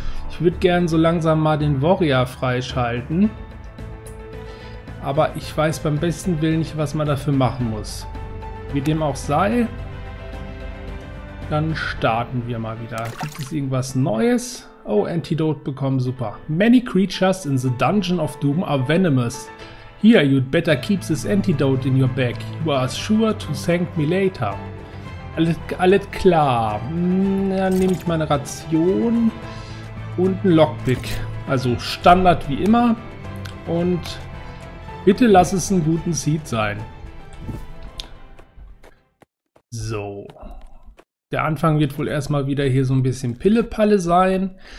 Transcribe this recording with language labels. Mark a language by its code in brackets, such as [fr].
[de] Ich würde gerne so langsam mal den Warrior freischalten. Aber ich weiß beim besten Willen nicht, was man dafür machen muss. Wie dem auch sei, dann starten wir mal wieder. Gibt es irgendwas Neues? Oh, Antidote bekommen, super. [en] Many creatures in the Dungeon of Doom are venomous. Here, you'd better keep this antidote in your bag. You are sure to thank me later. [de] Alles klar. Dann nehme ich meine Ration und ein Lockpick. Also Standard wie immer. Und bitte lass es einen guten Seed sein. So. Der Anfang wird wohl erstmal wieder hier so ein bisschen Pillepalle sein.